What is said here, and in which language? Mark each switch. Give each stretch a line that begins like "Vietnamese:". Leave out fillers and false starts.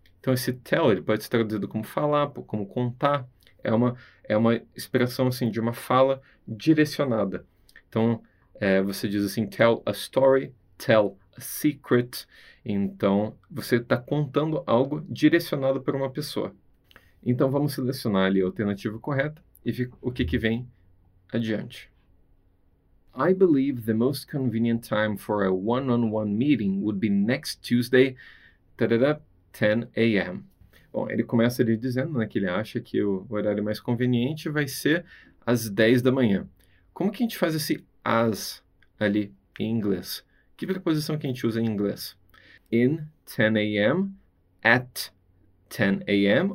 Portuguese: Então, esse tell, ele pode ser traduzido como falar, como contar, é uma expressão, assim, de uma fala direcionada. Então, você diz assim,
English: tell a story, tell a secret.
Portuguese: Então, você está contando algo direcionado para uma pessoa. Então, vamos selecionar ali a alternativa correta e ver o que vem adiante.
English: I believe the most convenient time for a one-on-one meeting would be next Tuesday, 10 a.m.
Portuguese: Bom, ele começa ali dizendo, né, que ele acha que o horário mais conveniente vai ser às 10 da manhã. Como que a gente faz esse as ali em inglês? Que preposição que a gente usa em inglês?
English: In 10 a.m., at 10 a.m.